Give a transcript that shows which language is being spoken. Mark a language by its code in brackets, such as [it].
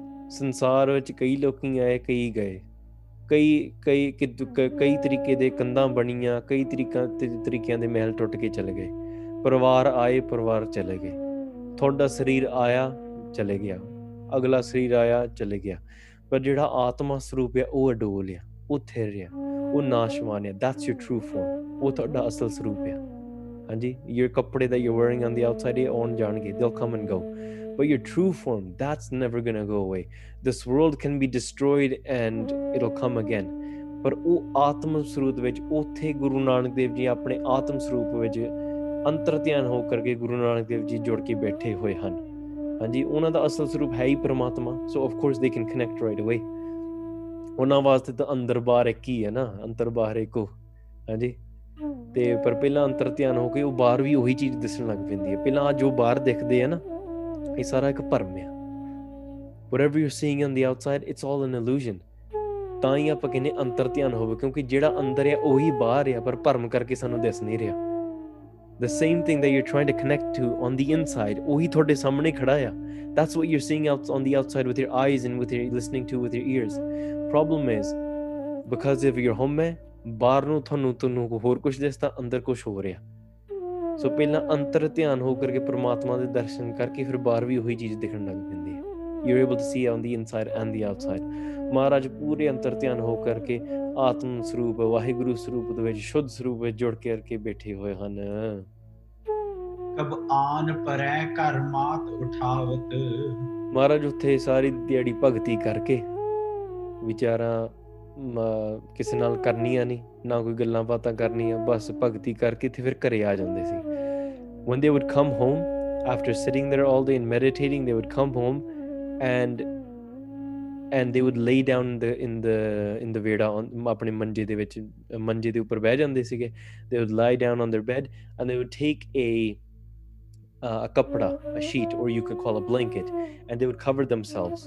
[pa] ਸੰਸਾਰ ਵਿੱਚ ਕਈ ਲੋਕ ਆਏ, ਕਈ ਗਏ, ਕਈ ਤਰੀਕੇ ਦੇ ਕੰਧਾਂ ਬਣੀਆਂ, ਕਈ ਤਰੀਕਿਆਂ ਦੇ ਮਹਿਲ ਟੁੱਟ ਕੇ ਚਲੇ ਗਏ, ਪਰਿਵਾਰ ਆਏ, ਪਰਿਵਾਰ ਚਲੇ ਗਏ, ਤੁਹਾਡਾ ਸਰੀਰ ਆਇਆ ਚਲੇ ਗਿਆ, ਅਗਲਾ ਸਰੀਰ ਆਇਆ ਚਲੇ ਗਿਆ, ਪਰ ਜਿਹੜਾ ਆਤਮਾ ਸਰੂਪ ਆ ਉਹ ਅਡੋਲ ਆ, ਉਹ ਥਿਰ ਆ, ਉਹ ਨਾਸ਼ਵਾਨ ਆ. [en] that's your true form, [pa] ਉਹ ਤੁਹਾਡਾ ਅਸਲ ਸਰੂਪ ਆ. [en] ਹਾਂਜੀ, ਯੂਰ [pa] ਕੱਪੜੇ ਦਾ [en] your wearing on the outside, [pa] ਇਹ ਆਉਣ ਜਾਣਗੇ, [en] They will come and go. But your true form, that's never going to go away. This world can be destroyed and it'll come again. [pa] But o atma swarup vich utthe Guru Nanak Dev ji apne atma swarup vich ਅੰਤਰ ਧਿਆਨ ਹੋ ਕਰਕੇ ਗੁਰੂ ਨਾਨਕ ਦੇਵ ਜੀ ਜੁੜ ਕੇ ਬੈਠੇ ਹੋਏ ਹਨ। ਹਾਂਜੀ, ਉਹਨਾਂ ਦਾ ਅਸਲ ਸਰੂਪ ਹੈ ਹੀ ਪਰਮਾਤਮਾ, [en] So of course they can connect right away. [pa] ਉਹਨਾਂ ਵਾਸਤੇ ਤਾਂ ਅੰਦਰ ਬਾਹਰ ਇੱਕ ਹੀ ਹੈ ਨਾ, ਅੰਤਰ ਬਾਹਰ ਇੱਕੋ। ਹਾਂਜੀ, ਤੇ ਪਰ ਪਹਿਲਾਂ ਅੰਤਰ ਧਿਆਨ ਹੋ ਕੇ ਉਹ ਬਾਹਰ ਵੀ ਉਹੀ ਚੀਜ਼ ਦਿਸਣ ਲੱਗ ਪੈਂਦੀ ਹੈ। ਪਹਿਲਾਂ ਆਹ ਜੋ ਬਾਹਰ ਦਿਖਦੇ ਆ ਨਾ, ਇਹ ਸਾਰਾ ਇੱਕ ਭਰਮ ਆ। [en] Whatever you're seeing on the outside, it's all an illusion. [pa] ਤਾਂ ਹੀ ਆਪਾਂ ਕਹਿੰਦੇ ਅੰਤਰ ਧਿਆਨ ਹੋਵੇ, ਕਿਉਂਕਿ ਜਿਹੜਾ ਅੰਦਰ ਆ ਉਹੀ ਬਾਹਰ ਆ, ਪਰ ਭਰਮ ਕਰਕੇ ਸਾਨੂੰ ਦਿਸ ਨਹੀਂ ਰਿਹਾ। [en] The same thing that you're trying to connect to on the inside, [pa] ਉਹੀ ਤੁਹਾਡੇ ਸਾਹਮਣੇ ਖੜਾ ਆ। [en] That's what you're seeing out on the outside with your eyes and with your listening to with your ears. Problem is, because if you're home, [pa] ਬਾਹਰ ਨੂੰ ਤੁਹਾਨੂੰ ਹੋਰ ਕੁਛ ਦਿਸਦਾ, ਅੰਦਰ ਕੁਛ ਹੋ ਰਿਹਾ। ਸੋ ਪਹਿਲਾਂ ਅੰਤਰ ਧਿਆਨ ਹੋ ਕਰਕੇ ਪਰਮਾਤਮਾ ਦੇ ਦਰਸ਼ਨ ਕਰਕੇ ਫਿਰ ਬਾਹਰ ਵੀ ਉਹੀ ਚੀਜ਼ ਦਿਖਣ ਲੱਗ ਪੈਂਦੀ ਹੈ। [en] You're able to see on the inside and the outside. [pa] ਮਹਾਰਾਜ ਪੂਰੇ ਅੰਤਰ ਧਿਆਨ ਹੋ ਕਰਕੇ ਆਤਮ ਸਰੂਪ, ਵਾਹਿਗੁਰੂ ਸਰੂਪ ਦੇ ਵਿੱਚ, ਸ਼ੁੱਧ ਸਰੂਪ ਵਿੱਚ ਜੁੜ ਕੇ ਕਰਕੇ ਬੈਠੇ ਹੋਏ ਹਨ। ਕਬ ਆਨ ਪਰੈ ਘਰ ਮਾਤ ਉਠਾਵਤ। ਮਹਾਰਾਜ ਉੱਥੇ ਸਾਰੀ ਦਿਹਾੜੀ ਭਗਤੀ ਕਰਕੇ, ਵਿਚਾਰਾਂ ਕਿਸੇ ਨਾਲ ਕਰਨੀਆਂ ਨਹੀਂ, ਨਾ ਕੋਈ ਗੱਲਾਂ ਬਾਤਾਂ ਕਰਨੀਆਂ, ਬਸ ਭਗਤੀ ਕਰਕੇ ਤੇ ਫਿਰ ਘਰੇ ਆ ਜਾਂਦੇ ਸੀ। [en] When they would come home, after sitting there all day and meditating, they would come home and they would lay down in the veda, [pa] apne manje de vich, manje de upar baith jande sige. [en] They would lie down on their bed and they would take a kapda, a sheet, or you could call a blanket, and they would cover themselves.